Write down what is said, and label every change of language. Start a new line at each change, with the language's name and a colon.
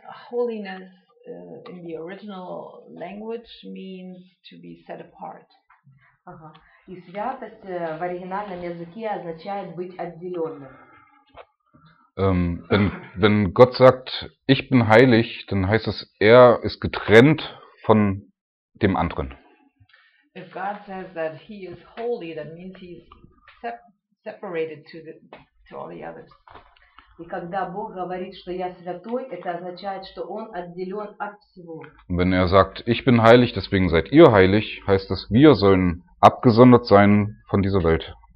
English: Holiness in the original language means to be set apart. Aha.
Russian: И святость в оригинальном языке означает быть отделенным.
German: Wenn Gott sagt, ich bin heilig, dann heißt es, er ist getrennt von dem anderen.
English: If God says that he is holy, that means he is separated to all the others.
Russian: И когда Бог говорит, что я святой, это означает, что он отделен от всего.
German: Wenn er sagt, ich bin heilig, deswegen seid ihr heilig, heißt das, wir sollen abgesondert sein von dieser Welt.